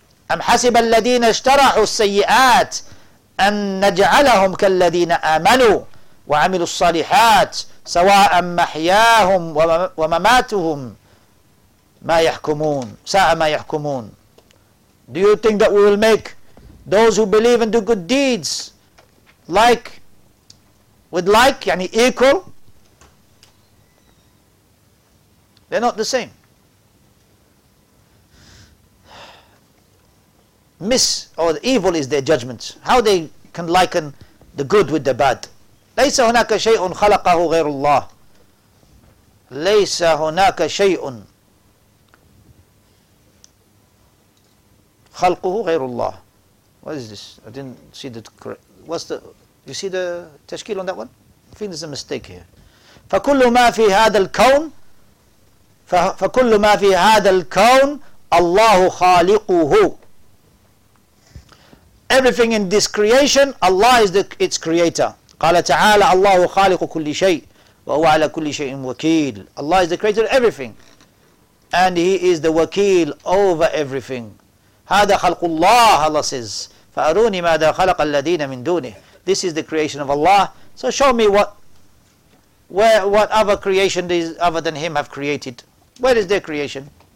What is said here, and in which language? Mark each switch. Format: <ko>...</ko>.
<ar>أم حسب الذين اشترحوا السيئات أن نجعلهم كالذين آمنوا وعملوا الصالحات سواء محياهم ومماتهم ما يحكمون ساء ما يحكمون.</ar> <en>Do you think that we will make those who believe and do good deeds like with like, yani equal? They're not the same. Miss or the evil is their judgment. How they can liken the good with the bad?</en> <ar>ليس هناك شيء خلقه غير الله. ليس هناك شيء خلقه غير الله.</ar> <en>What is this? I didn't see the correct. What's the? You see the tashkil on that one? I think there's a mistake here.</en> <ar>فكل ما في هذا الكون, فكل ما في هذا الكون الله خالقه.</ar> <en>Everything in this creation, Allah is its creator.</en> <ar>قال تعالى الله خالق كل شيء وهو على كل شيء وكيل.</ar> <en>Allah is the creator of everything, and He is the wakil over everything.</en> <ar>هَذَا خَلْقُ اللَّهِ,</ar> <en>Allah says,</en> <ar>فَأَرُونِي مَاذَا خَلَقَ الَّذِينَ مِنْ دُونِهِ,</ar> <en>this is the creation of Allah, so show me what other creation is other than Him have created. Where is their creation?</en>